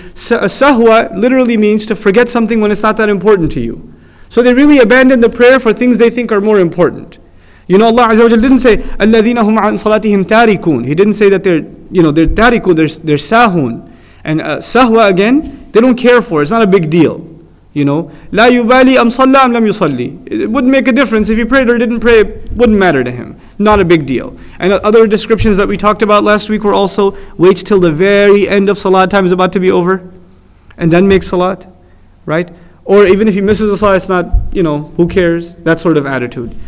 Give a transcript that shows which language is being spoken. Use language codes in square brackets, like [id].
[en] Sahwa literally means to forget something when it's not that important to you. So they really abandon the prayer for things they think are more important. You know, Allah Azza wa Jal didn't say, [ar] أَلَّذِينَ هُمْ عَنْ صَلَاتِهِمْ تَارِكُونَ. [en] He didn't say that they're tarikun, they're sahun. And sahwa again, they don't care for it. It's not a big deal. You know, [ar] لَا يُبَالِي أَمْ صَلَّى أَمْ لَمْ يُصَلِّي. [en] It wouldn't make a difference. If he prayed or didn't pray, it wouldn't matter to him. Not a big deal. And other descriptions that we talked about last week were also, waits till the very end of salat time is about to be over, and then makes salat, right? Or even if he misses a salah, it's not, you know, who cares? That sort of attitude.